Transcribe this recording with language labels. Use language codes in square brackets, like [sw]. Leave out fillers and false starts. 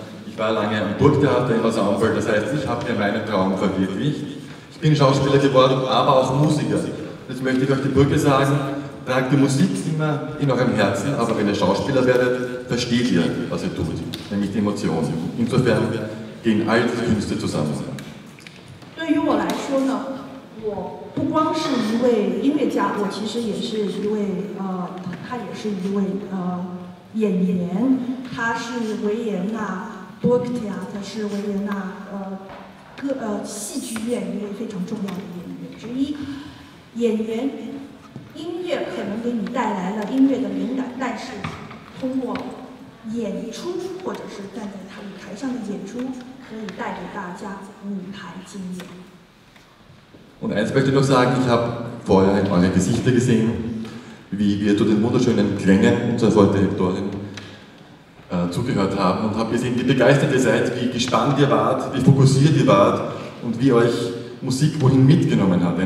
[de] Ich war lange am Burgtheater im Ensemble, das heißt, ich habe mir meinen Traum verwirklicht. Ich bin Schauspieler geworden, aber auch Musiker. Jetzt möchte ich euch die Brücke sagen, tragt die Musik immer in eurem Herzen, aber wenn ihr Schauspieler werdet, versteht ihr, was ihr tut, nämlich die Emotionen. Insofern gehen all die Künste zusammen. Für mich, ich [zh] 波克提亚是维也纳戏剧演员非常重要的演员之一。演员音乐可能给你带来了音乐的灵感，但是通过演出或者是站在台上的演出，可以带给大家舞台经验。 [de] Und eins möchte ich noch sagen: Ich habe vorher in eure Gesichter gesehen, wie wir zu den wunderschönen Klängen unserer Folterhektorin zugehört haben und habe gesehen, wie begeistert ihr seid, wie gespannt ihr wart, wie fokussiert ihr wart und wie euch Musik wohin mitgenommen hat.